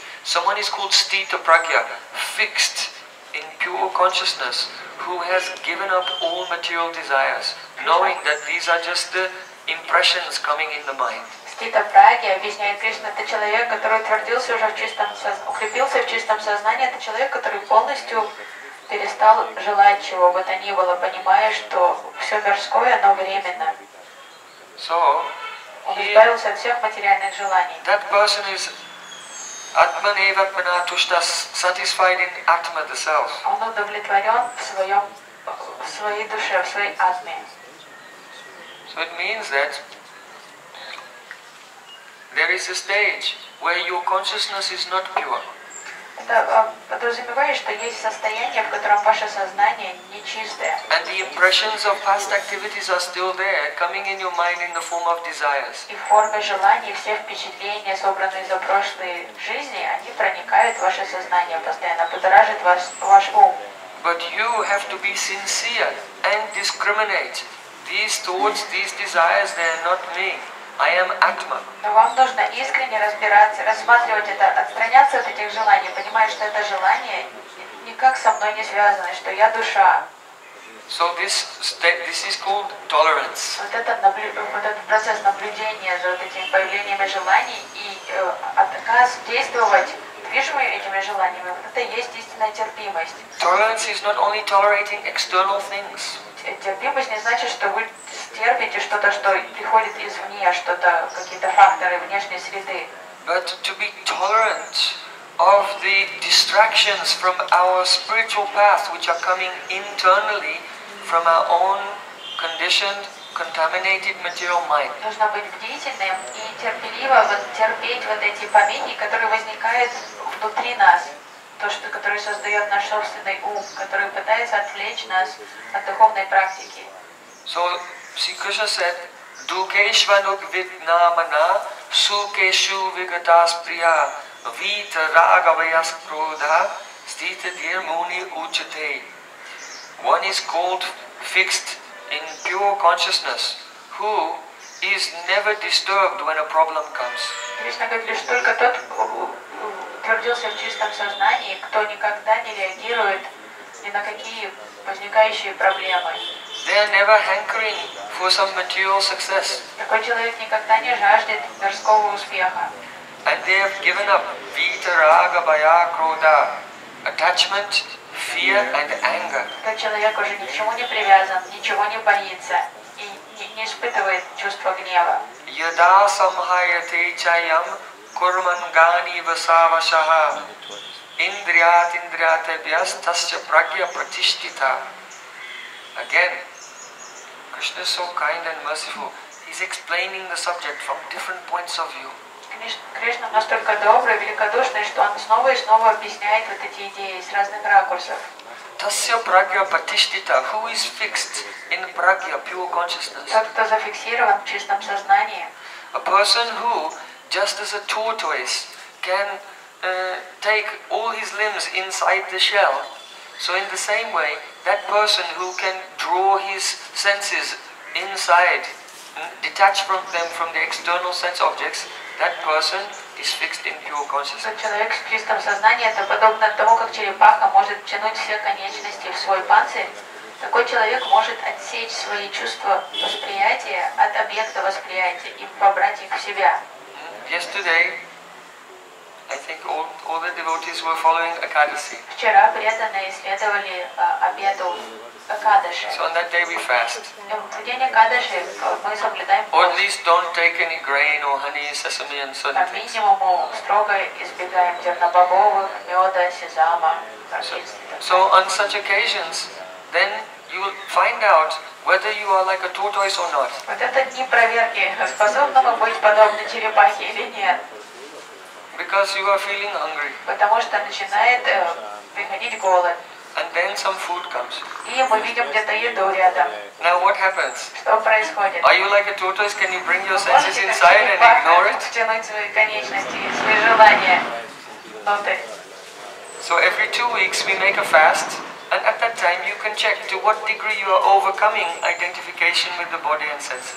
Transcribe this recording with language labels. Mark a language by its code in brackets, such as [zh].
[en] Someone is called stita pragya, fixed in pure consciousness, who has given up all material desires, knowing that these are just the impressions coming in the mind. [ru] Стита Праги, объясняет Кришна, это человек, который утвердился уже в чистом сознании, укрепился в чистом сознании, это человек, который полностью перестал желать чего бы то ни было, понимая, что все мирское, оно временно. [en] So, [ru] он избавился от всех материальных желаний. [en] That person is atmanevatmanatushta, satisfied in atma, the self. [ru] Он удовлетворен в своей душе, в своей атме. [en] So it means that there is a stage where your consciousness is not pure. [ru] Это подразумевает, что есть состояние, в котором ваше сознание нечистое. [en] And the impressions of past activities are still there, coming in your mind in the form of desires. [ru] И в форме желаний все впечатления, собранные за прошлые жизни, они проникают в ваше сознание постоянно, будоражат ваш ум. [en] But you have to be sincere and discriminate these thoughts, these desires, they are not me. I am Atma. [ru] Но вам нужно искренне разбираться, рассматривать это, отстраняться от этих желаний, понимая, что это желание никак со мной не связано, что я душа. [en] So this is called tolerance. [ru] Вот этот процесс наблюдения за вот этими появлениями желаний и отказ действовать, движимые этими желаниями, вот это есть истинная терпимость. [en] Tolerance is not only tolerating external things. [ru] Терпимость не значит, что вы терпите что-то, что приходит извне, что-то, какие-то факторы внешней среды. [en] But to be tolerant of the distractions from our spiritual path, which are coming internally from our own conditioned, contaminated material mind. [ru] Нужно быть бдительным и терпеливо терпеть вот эти помехи, которые возникают внутри нас. То, что, которое создает наш собственный ум, который пытается отвлечь нас от духовной практики. [en] So, Sri Krishna said, [sa] Dukeshvanuk vidnamana sukeshu vigatas priya vita ragavayas krodha stita dhirmuni uchate. [en] One is called fixed in pure consciousness, who is never disturbed when a problem comes. [ru] Krishna говорит, лишь только тот, утвердился в чистом сознании, кто никогда не реагирует ни на какие возникающие проблемы. [en] They are never hankering for some material success. [ru] Такой человек никогда не жаждет мирского успеха. [en] And they have given up vita, raga, baya, krodha, attachment, fear and anger. [ru] Этот человек уже ни к чему не привязан, ничего не боится и не испытывает чувства гнева. [sa] Yada samhayate chayam kurmangani vasavashaha indriyat indriyatebhyas tasya pragya pratishtita. [en] Again, Krishna is so kind and merciful. He's explaining the subject from different points of view. [ru] Krishna настолько добрый, великодушный, что он снова и снова объясняет вот эти идеи с разных ракурсов. [sa] Tasya pragya patishtita, [en] who is fixed in pragya, pure consciousness. [ru] Тот, кто зафиксирован в чистом сознании. [en] A person who, just as a tortoise, can take all his limbs inside the shell. So in the same way, that person who can draw his senses inside, detach from them from the external sense objects, that person is fixed in pure consciousness. [ru] Этот человек с чистым сознанием, это подобно тому, как черепаха может тянуть все конечности в свой панцирь. Такой человек может отсечь свои чувства восприятия от объекта восприятия и вобрать их в себя. [en] Yesterday, I think all the devotees were following Akadasi. [ru] Вчера преданные следовали обеду Акадаши. [en] So on that day we fast. [ru] В день Акадаши мы соблюдаем пост. [en] Or at least don't take any grain or honey, sesame and so on. [ru] По минимуму строго избегаем зернобобовых, меда, сезама. [en] So on such occasions, then you will find out whether you are like a tortoise or not. [ru] Вот это дни проверки, способны вы быть подобны черепахе или нет. [en] Because you are feeling hungry. [ru] Потому что начинает приходить голод. [en] And then some food comes. [ru] И мы видим где-то еду рядом. [en] Now what happens? [ru] Что происходит? [en] Are you like a tortoise? Can you bring your senses inside and ignore it? [ru] Тянуть свои конечности, свои желания внутрь. [en] So every 2 weeks we make a fast. And at that time you can check to what degree you are overcoming identification with the body and senses.